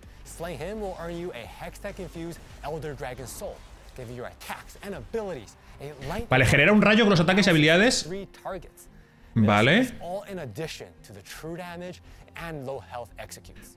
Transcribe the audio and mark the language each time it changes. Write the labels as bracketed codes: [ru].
[en] Slay him will earn you a Hextech infused Elder Dragon soul, giving you attacks and abilities. [es] Vale, genera un rayo con los ataques y habilidades. Vale. [en] All in addition to the true damage and low health executes.